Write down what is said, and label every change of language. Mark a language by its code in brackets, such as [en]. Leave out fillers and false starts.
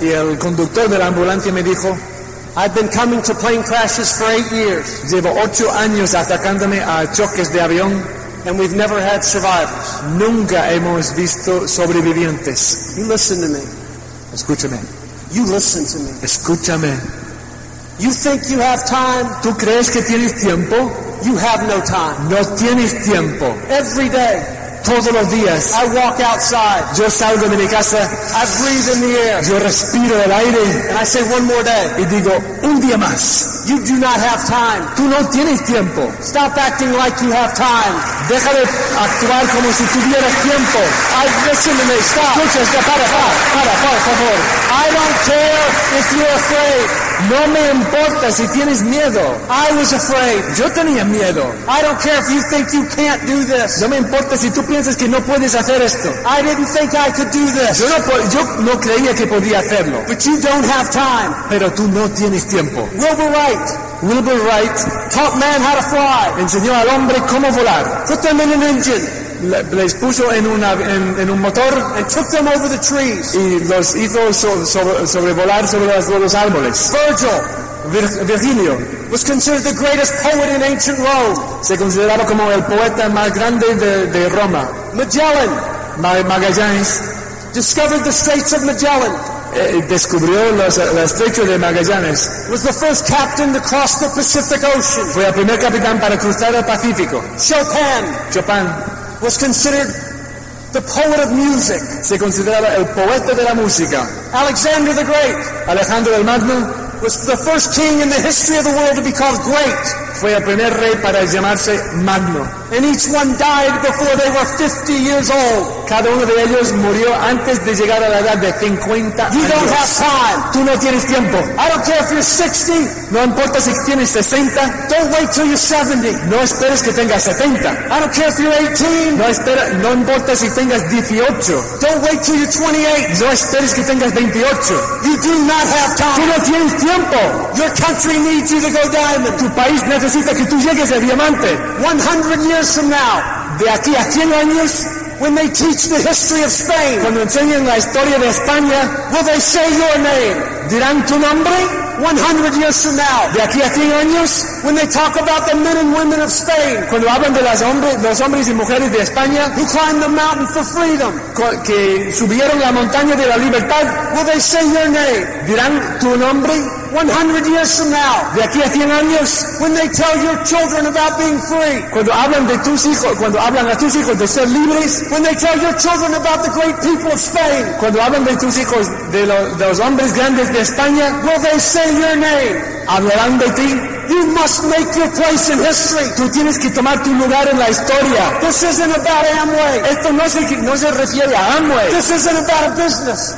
[es] Y el conductor de la ambulancia me dijo, [en] "I've been coming to plane crashes for 8 years. [es] Llevo 8 años atacándome a choques de avión. [en] And we've never had survivors. [es] Nunca hemos visto sobrevivientes." [en] You listen to me. [es] Escúchame. [en] You listen to me. [es] Escúchame. [en] You think you have time? [es] ¿Tú crees que tienes tiempo? [en] You have no time. [es] No tienes tiempo. [en] Every day. [es] todos los días. [en] I walk outside. [es] Yo salgo de mi casa. [en] I breathe in the air. [es] Yo respiro el aire. [en] And I say one more day. [es] Y digo, un día más. [en] You do not have time. [es] Tú no tienes tiempo. [en] Stop acting like you have time. [es] Deja de actuar como si tuvieras tiempo. [en] Listen to me. Stop. [es] Escucha, está, para, por favor. [en] I don't care if you're afraid. [es] No me importa si tienes miedo. [en] I was afraid. [es] Yo tenía miedo. [en] I don't care if you think you can't do this. [es] No me importa si tú piensas que no puedes hacer esto. [en] I didn't think I could do this. [es] Yo no creía que podía hacerlo. [en] But you don't have time. [es] Pero tú no tienes tiempo. [en] Wilbur Wright taught man how to fly. [es] Enseñó al hombre cómo volar. [en] Put them in an engine. [es] Les puso en un motor. [en] And took them over the trees. [es] Y los hizo sobrevolar sobre los árboles. [en] Virgilio was considered the greatest poet in ancient Rome. [es] Se consideraba como el poeta más grande de Roma. [en] Magellan. [es] Magallanes. [en] Discovered the Straits of Magellan. [es] Descubrió el estrecho de Magallanes. [en] Was the first captain to cross the Pacific Ocean. [es] Fue el primer capitán para cruzar el Pacífico. [en] Chopin. Was considered the poet of music. [es] Se consideraba el poeta de la música. [en] Alexander the Great. [es] Alejandro el Magno. [en] Was the first king in the history of the world to be called great. [es] Fue el primer rey para llamarse Magno. [en] And each one died before they were 50 years old. [es] Cada uno de ellos murió antes de llegar a la edad de 50 you años. [en] You don't have time. [es] Tú no tienes tiempo. [en] I don't care if you're 60. [es] No importa si tienes 60. [en] Don't wait till you're 70. [es] No esperes que tengas 70. [en] I don't care if you're 18. [es] No importa si tengas 18. [en] Don't wait till you're 28. [es] No esperes que tengas 28. [en] You do not have time. [es] Tú no tienes tiempo. [en] Your country needs you to go diamond. [es] Tu país necesita que tú llegues a diamante. [en] 100 years from now. [es] De aquí a 100 años. [en] When they teach the history of Spain. [es] Cuando enseñen la historia de España. [en] Will they say your name? [es] Dirán tu nombre. [en] 100 years from now. [es] De aquí a 100 años. [en] When they talk about the men and women of Spain. [es] Cuando hablan de los hombres y mujeres de España. [en] Who climbed the mountain for freedom. [es] Que subieron la montaña de la libertad. [en] Will they say your name? [es] Dirán tu nombre. [en] 100 years from now. [es] De aquí a 100 años. [en] When they tell your children about being free. [es] Cuando hablan a tus hijos de ser libres. [en] When they tell your children about the great people of Spain. [es] Cuando hablan de tus hijos de los hombres grandes de España. [en] Will they say your name? [es] Hablarán de ti. [en] You must make your place in history. [es] Tú tienes que tomar tu lugar en la historia. [en] This isn't about Amway. [es] Esto no se refiere a Amway. [en] This isn't about a business.